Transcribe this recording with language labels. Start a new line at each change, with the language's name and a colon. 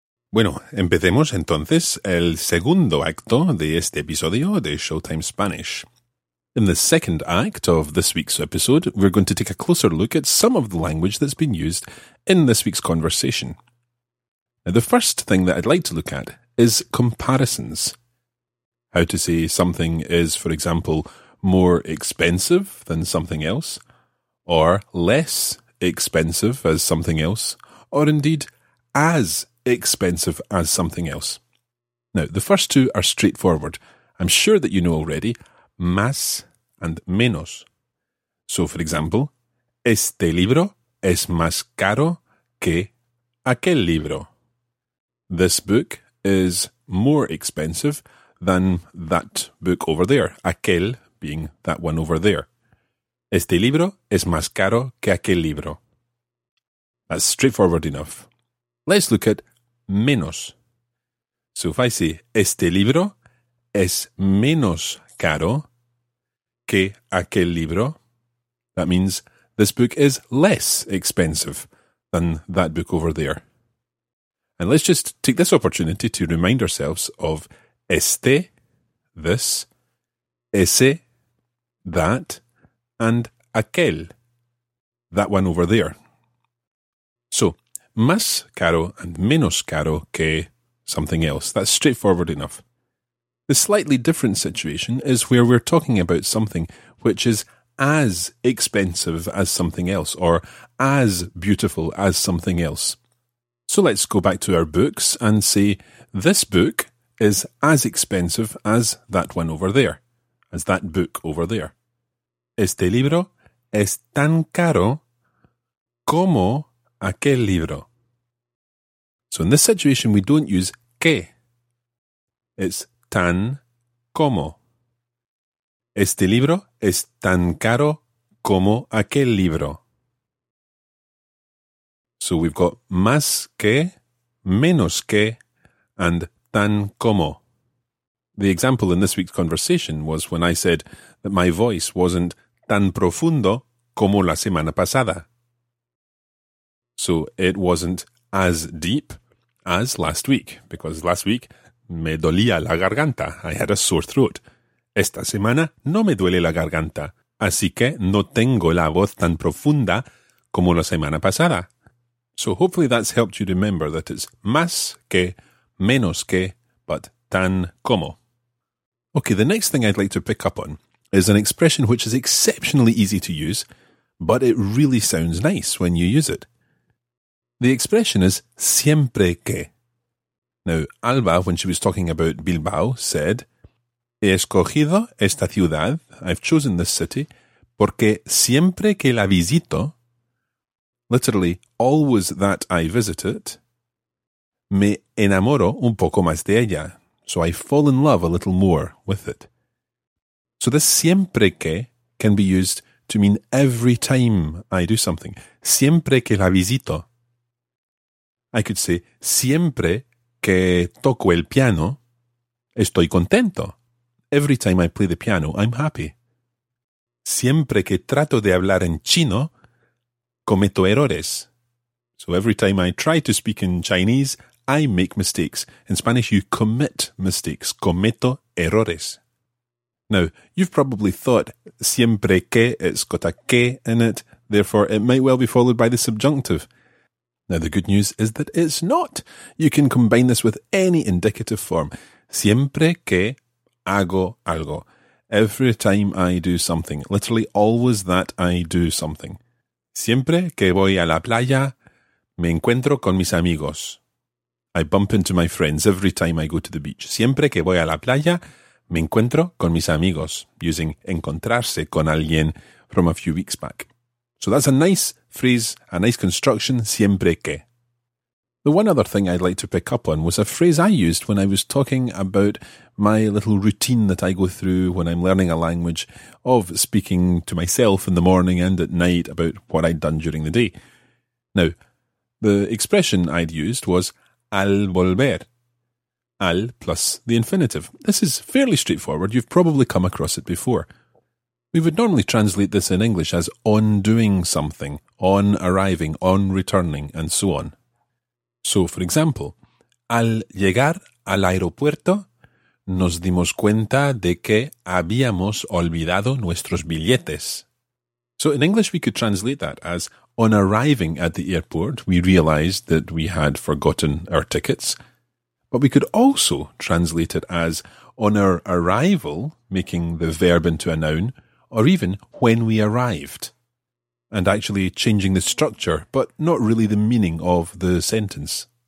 Spanish: Bueno, empecemos entonces el segundo acto de este episodio de Showtime Spanish.
English: In the second act of this week's episode, we're going to take a closer look at some of the language that's been used in this week's conversation. Now, the first thing that I'd like to look at is comparisons. How to say something is, for example, more expensive than something else, or less expensive as something else, or indeed as expensive as something else. Now, the first two are straightforward. I'm sure that you know already, más and menos. So, for example,
Spanish: este libro es más caro que aquel libro.
English: This book is more expensive than that book over there, aquel being that one over there.
Spanish: Este libro es más caro que aquel libro.
English: That's straightforward enough. Let's look at menos. So if I say,
Spanish: este libro es menos caro que aquel libro,
English: that means this book is less expensive than that book over there. And let's just take this opportunity to remind ourselves of este, this, ese, that, and aquel, that one over there. So, más caro and menos caro que something else. That's straightforward enough. The slightly different situation is where we're talking about something which is as expensive as something else, or as beautiful as something else. So let's go back to our books and say, this book is as expensive as that one over there, as that book over there.
Spanish: Este libro es tan caro como aquel libro.
English: So in this situation, we don't use que. It's tan como.
Spanish: Este libro es tan caro como aquel libro.
English: So we've got más que, menos que, and tan como. The example in this week's conversation was when I said that my voice wasn't
Spanish: tan profundo como la semana pasada.
English: So it wasn't as deep as last week, because last week
Spanish: me dolía la garganta.
English: I had a sore throat.
Spanish: Esta semana no me duele la garganta, así que no tengo la voz tan profunda como la semana pasada.
English: So hopefully that's helped you remember that it's más que, menos que, but tan como. Okay, the next thing I'd like to pick up on is an expression which is exceptionally easy to use, but it really sounds nice when you use it. The expression is siempre que. Now, Alba, when she was talking about Bilbao, said,
Spanish: he escogido esta ciudad,
English: I've chosen this city,
Spanish: porque siempre que la visito,
English: literally, always that I visit it,
Spanish: me enamoro un poco más de ella.
English: So I fall in love a little more with it. So this siempre que can be used to mean every time I do something.
Spanish: Siempre que la visito.
English: I could say,
Spanish: siempre que toco el piano, estoy contento.
English: Every time I play the piano, I'm happy.
Spanish: Siempre que trato de hablar en chino, cometo errores.
English: So every time I try to speak in Chinese, I make mistakes. In Spanish, you commit mistakes.
Spanish: Cometo errores.
English: Now, you've probably thought, siempre que, it's got a que in it. Therefore, it might well be followed by the subjunctive. Now, the good news is that it's not. You can combine this with any indicative form.
Spanish: Siempre que hago algo.
English: Every time I do something. Literally, always that I do something.
Spanish: Siempre que voy a la playa, me encuentro con mis amigos.
English: I bump into my friends every time I go to the beach.
Spanish: Siempre que voy a la playa, me encuentro con mis amigos.
English: Using encontrarse con alguien from a few weeks back. So that's a nice phrase, a nice construction, siempre que. The one other thing I'd like to pick up on was a phrase I used when I was talking about my little routine that I go through when I'm learning a language, of speaking to myself in the morning and at night about what I'd done during the day. Now, the expression I'd used was al volver, al plus the infinitive. This is fairly straightforward. You've probably come across it before. We would normally translate this in English as on doing something, on arriving, on returning, and so on. So, for example,
Spanish: al llegar al aeropuerto, nos dimos cuenta de que habíamos olvidado nuestros billetes.
English: So, in English, we could translate that as on arriving at the airport, we realized that we had forgotten our tickets. But we could also translate it as on our arrival, making the verb into a noun, or even when we arrived, and actually changing the structure, but not really the meaning of the sentence.